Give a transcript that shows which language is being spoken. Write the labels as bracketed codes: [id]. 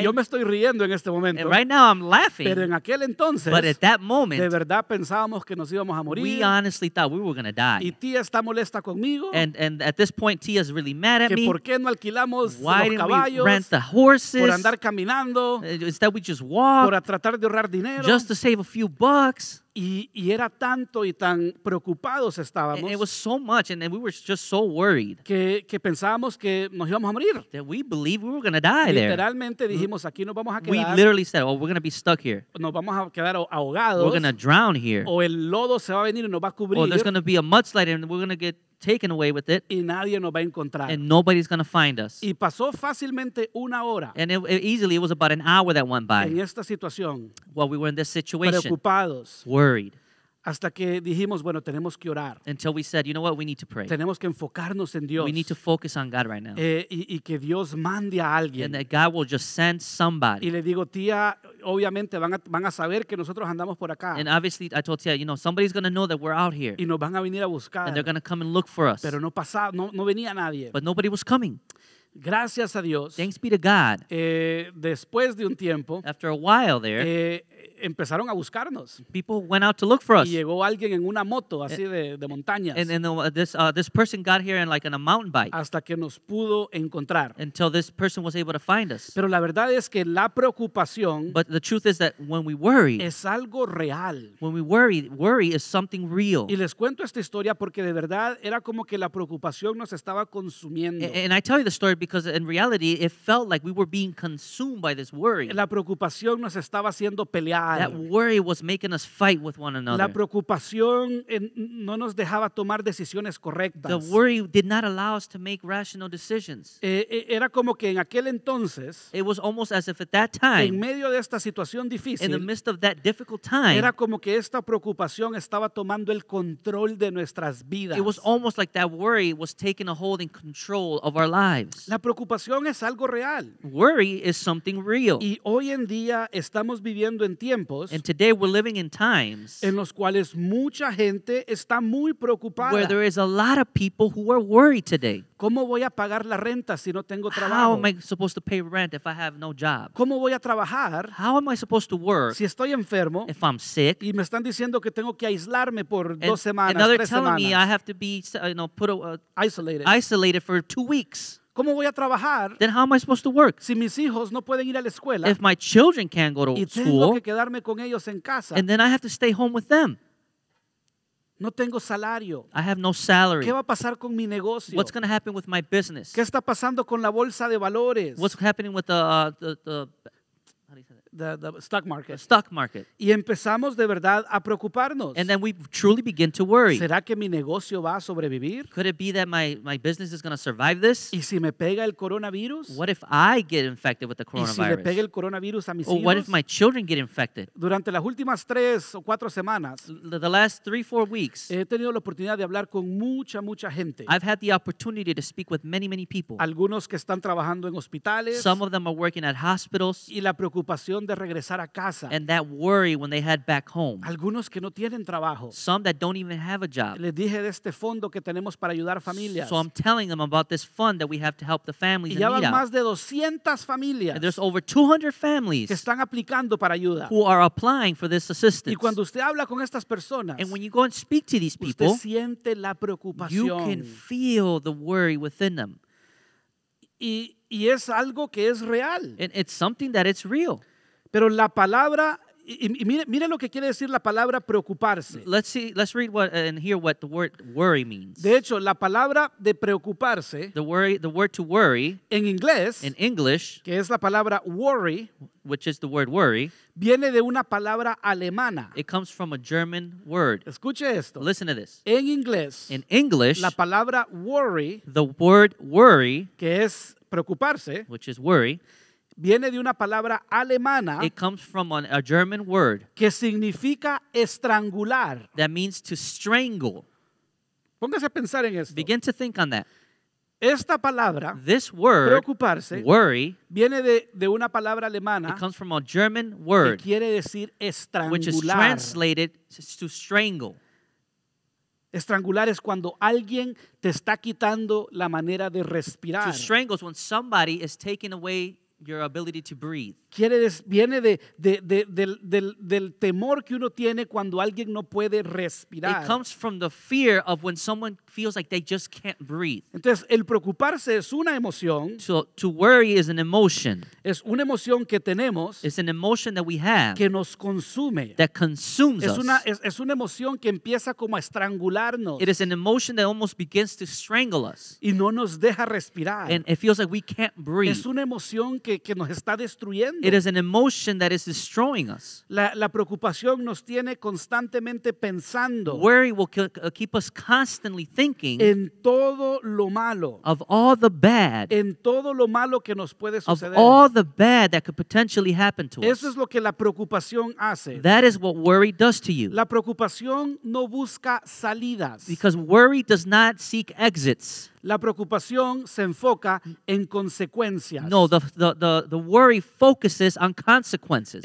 [es] Y yo me estoy riendo en este momento. [en] And right now I'm laughing. [es] Pero en aquel entonces, [en] but at that moment, [es] de verdad pensábamos que nos íbamos a morir. [en] We honestly thought we were gonna die. [es] Y tía está molesta conmigo. [en] And at this point, tía is really mad at [es] que [en] me. [es] ¿Por qué no alquilamos [en] why [es] los caballos? [en] We rent the horses? [es] Por andar caminando. [en] Instead we just walk. [es] Por tratar de ahorrar dinero. [en] Just to save a few bucks. [es] Y era tanto y tan preocupados estábamos. [en] And it was so much and we were just so worried. [es] Que pensábamos que nos íbamos a morir. [en] That we believed we were going to die there. [es] Literalmente dijimos, aquí nos vamos a quedar. [en] We literally said, oh, we're going to be stuck here. [es] Nos vamos a quedar ahogados. [en] We're going to drown here. [es] O el lodo se va a venir y nos va a cubrir. [en] Or there's going to be a mudslide and we're going to get taken away with it. [es] Y nadie nos va a encontrar. [en] And nobody's going to find us. [es] Y pasó fácilmente una hora. [en] And it was about an hour that went by. [es] En esta situación. [en] While we were in this situation. [es] Preocupados. [en] Worried. [es] Hasta que dijimos, bueno, tenemos que orar. [en] Until we said, you know what, we need to pray. [es] Tenemos que enfocarnos en Dios. [en] We need to focus on God right now. [es] Y que Dios mande a alguien. [en] And that God will just send somebody. [es] Y le digo, tía, obviamente van a saber que nosotros andamos por acá. [en] And obviously, I told tía, you know, somebody's going to know that we're out here. [es] Y nos van a venir a buscar. [en] And they're going to come and look for us. [es] Pero no venía nadie. [en] But nobody was coming. [es] Gracias a Dios. [en] Thanks be to God. [es] Después de un tiempo. [en] After a while there. [es] Empezaron a buscarnos. [en] People went out to look for us. [es] Y llegó alguien en una moto así de montañas. [en] And this person got here in like on a mountain bike. [es] Hasta que nos pudo encontrar. [en] Until this person was able to find us. [es] Pero la verdad es que la preocupación. [en] But the truth is that when we worry. [es] Es algo real. [en] When we worry, worry is something real. [es] Y les cuento esta historia porque de verdad era como que la preocupación nos estaba consumiendo. [en] And I tell you the story because in reality it felt like we were being consumed by this worry. [es] La preocupación nos estaba haciendo pelear. pelear. [en] That worry was making us fight with one another. [es] La preocupación no nos dejaba tomar decisiones correctas. [en] The worry did not allow us to make rational decisions. [es] Era como que en aquel entonces, [en] it was almost as if at that time, [es] en medio de esta situación difícil, [en] in the midst of that difficult time, [es] era como que esta preocupación estaba tomando el control de nuestras vidas. [en] It was almost like that worry was taking a hold and control of our lives. [es] La preocupación es algo real. [en] Worry is something real. [es] Y hoy en día estamos viviendo en tiempos, [en] and today we're living in times, [es] en los cuales mucha gente está muy preocupada, [en] where there is a lot of people who are worried today. [es] ¿Cómo voy a pagar la renta si no tengo trabajo? [en] How am I supposed to pay rent if I have no job? [es] ¿Cómo voy a trabajar? [en] How am I supposed to work? [es] Si estoy enfermo, [en] if I'm sick, [es] y me están diciendo que tengo que aislarme por [en] and, [es] dos semanas, [en] and they're [es] tres [en] telling [es] semanas. [en] Me I have to be, you know, put a, isolated. Isolated for 2 weeks. [es] ¿Cómo voy a trabajar? [en] Then how am I supposed to work? [es] Si mis hijos no pueden ir a la escuela, [en] if my children can't go to [es] y tengo [en] school, [es] que quedarme con ellos en casa, [en] and then I have to stay home with them. [es] No tengo salario. [en] I have no salary. [es] ¿Qué va a pasar con mi negocio? [en] What's going to happen with my business? [es] ¿Qué está pasando con la bolsa de valores? [en] What's happening with the stock market? The stock market. [es] Y empezamos de verdad a preocuparnos. [en] And then we truly begin to worry. [es] ¿Será que mi negocio va a sobrevivir? [en] Could it be that my business is going to survive this? [es] ¿Y si me pega el coronavirus? [en] What if I get infected with the coronavirus? [es] ¿Y si le pega el coronavirus a mis hijos? [en] Or what if my children get infected? [es] Durante las últimas tres o cuatro semanas, [en] the last three, 4 weeks, [es] he tenido la oportunidad de hablar con mucha gente. [en] I've had the opportunity to speak with many people. [es] Algunos que están trabajando en hospitales. [en] Some of them are working at hospitals. [es] Y la preocupación de regresar a casa. [en] And that worry when they head back home. [es] Algunos que no tienen trabajo. [en] Some that don't even have a job. [es] Les dije de este fondo que tenemos para ayudar a familias. [en] So I'm telling them about this fund that we have to help the families. [es] Y ya van [en] out. [es] Más de 200 familias. [en] And there's over 200 families [es] que están aplicando para ayuda. [en] Who are applying for this assistance. [es] Y cuando usted habla con estas personas, [en] and when you go and speak to these people, [es] usted siente la preocupación. [en] You can feel the worry within them. [es] Y es algo que es real. [en] And it's something that it's real. [es] Pero la palabra, y mire lo que quiere decir la palabra preocuparse. [en] Let's read what and hear what the word worry means. [es] De hecho, la palabra de preocuparse, [en] the word to worry, [es] en inglés, [en] in English, [es] que es la palabra worry, [en] which is the word worry, [es] viene de una palabra alemana. [en] It comes from a German word. [es] Escuche esto. [en] Listen to this. [es] En inglés, [en] in English, [es] la palabra worry, [en] the word worry, [es] que es preocuparse, [en] which is worry, [es] viene de una palabra alemana. [en] It comes from a German word. [es] Que significa estrangular. [en] That means to strangle. [es] Póngase a pensar en esto. [en] Begin to think on that. [es] Esta palabra, [en] this word, [es] preocuparse, [en] worry, [es] viene de una palabra alemana. [en] It comes from a German word. [es] Que quiere decir estrangular. [en] Which is translated to strangle. [es] Estrangular es cuando alguien te está quitando la manera de respirar. [en] To strangle is when somebody is taking away your ability to breathe. [es] Quiere viene del temor que uno tiene cuando alguien no puede respirar. [en] It comes from the fear of when someone feels like they just can't breathe. [es] Entonces, el preocuparse es una emoción. [en] So, to worry is an emotion. [es] Es una emoción que tenemos. [en] It's an emotion that we have. [es] Que nos consume. [en] That consumes us. [es] Es una emoción que empieza como a estrangularnos. [en] It is an emotion that almost begins to strangle us. [es] Y no nos deja respirar. [en] And it feels like we can't breathe. [es] Es una emoción que nos está destruyendo. [en] It is an emotion that is destroying us. [es] La preocupación nos tiene constantemente pensando. [en] Worry will keep us constantly thinking. [es] En todo lo malo. [en] Of all the bad. [es] En todo lo malo que nos puede suceder. [en] Of all the bad that could potentially happen to [es] us. Eso es lo que la preocupación hace. [en] That is what worry does to you. [es] La preocupación no busca salidas. [en] Because worry does not seek exits. [es] La preocupación se enfoca en consecuencias. [en] No, the worry focuses on consequences.